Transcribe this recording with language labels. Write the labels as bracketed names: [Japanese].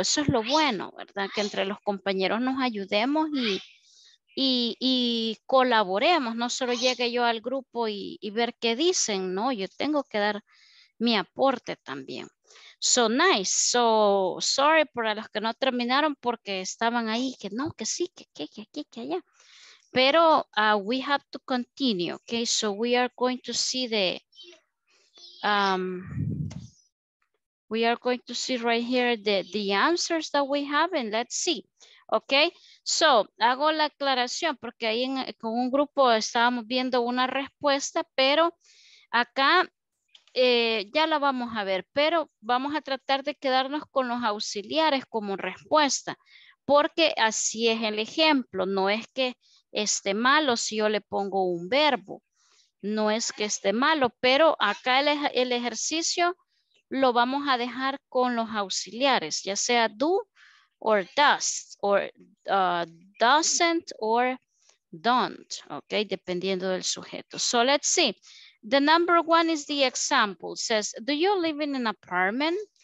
[Spanish] Eso es lo bueno, ¿verdad? Que entre los compañeros nos ayudemos y colaboremos, no solo llegue yo al grupo y ver qué dicen, ¿no? Yo tengo que dar mi aporte también. [English] So nice. So sorry [Spanish] para los que no terminaron porque estaban ahí que no, que sí, que aquí, que allá. Pero [English] we have to continue, okay? So we are going to see the we are going to see right here the answers that we have and let's see. Okay? [Spanish] So, hago la aclaración porque ahí en, con un grupo estábamos viendo una respuesta, pero acá ya la vamos a ver, pero vamos a tratar de quedarnos con los auxiliares como respuesta, porque así es el ejemplo, no es que esté malo si yo le pongo un verbo, no es que esté malo, pero acá el ejercicio lo vamos a dejar con los auxiliares, ya sea do or does, or doesn't or don't, okay, dependiendo del sujeto. [English] So let's see. The number one is the example. It says, do you live in an apartment?